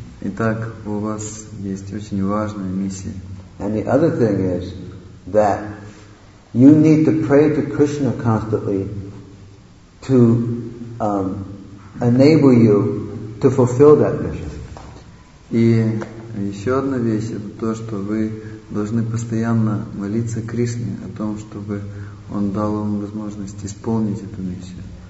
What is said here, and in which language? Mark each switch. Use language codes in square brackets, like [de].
[ru] Итак, у вас есть очень важная миссия. [en] And the other thing is that you need to pray to Krishna constantly to enable you to fulfill that mission. [ru] И еще одна вещь — это то, что вы должны постоянно молиться Кришне о том, чтобы он дал вам возможность исполнить эту миссию.